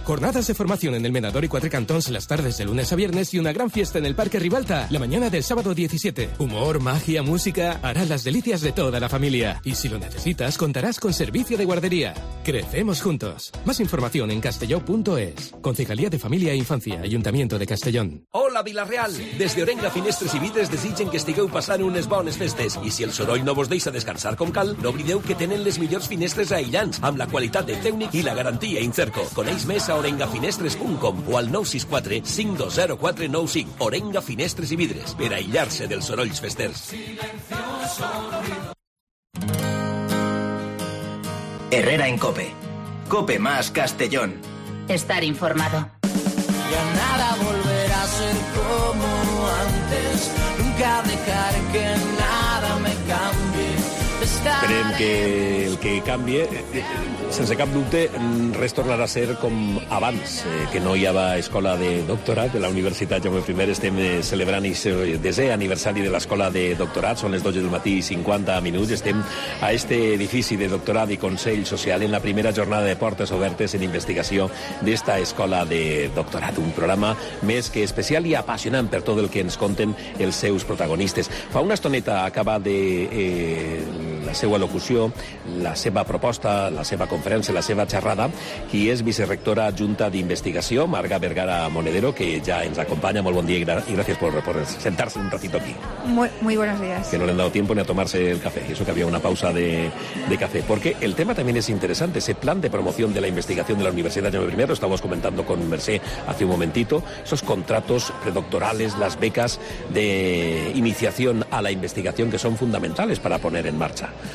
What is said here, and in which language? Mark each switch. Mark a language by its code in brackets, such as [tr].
[es] Jornadas de formación en el Menador y Quatre Cantons las tardes de lunes a viernes y una gran fiesta en el Parque Ribalta la mañana del sábado 17. Humor, magia, música, hará las delicias de toda la familia. Y si lo necesitas, contarás con servicio de guardería. ¡Crecemos juntos! Más información en castelló.es. Concejalía de Familia e Infancia, Ayuntamiento de Castellón. [ca] ¡Hola, Vilarreal! Desde Orenga, Finestres y Vidres desigen que estigueu pasant unes bones festes. Y si el soroll no vos deis a descansar con cal, no oblideu que tenen les millors finestres aïllants amb la qualitat de Tècnic i la garantia Incerco. Coneix més a orengafinestres.com o al 964-520-495. Orenga, Finestres i Vidres, per aïllar-se dels sorolls festers. [es] Herrera en COPE. COPE más Castellón. Estar informado. Ya nada volverá a ser como antes. Nunca dejar que nada me cambie. [ca] Esperem que el que canvie, sense cap dubte, res tornarà a ser com abans, que no hi havia escola de doctorat de la Universitat Jaume I. Estem celebrant el desè aniversari de l'escola de doctorat. Són les 12 del matí i 50 minuts. Estem a este edifici de doctorat i Consell Social en la primera jornada de portes obertes en investigació d'esta escola de doctorat. Un programa més que especial i apassionant per tot el que ens conten els seus protagonistes. Fa una estoneta acaba de... la seva locució, la seva proposta, la seva conferència, la seva xerrada, qui és vicerectora adjunta d'investigació, Marga Vergara Monedero, que ja ens acompanya. Molt bon dia i gràcies per sentar-se un ratito aquí. [es] Muy buenos días. Que no le han dado tiempo ni a tomarse el café, eso que había una pausa de café. Porque el tema también es interesante, ese plan de promoción de la investigación de la Universidad Jaume I, lo estábamos comentando con Mercè hace un momentito, esos contratos predoctorales, las becas de iniciación a la investigación que son fundamentales para poner en marcha.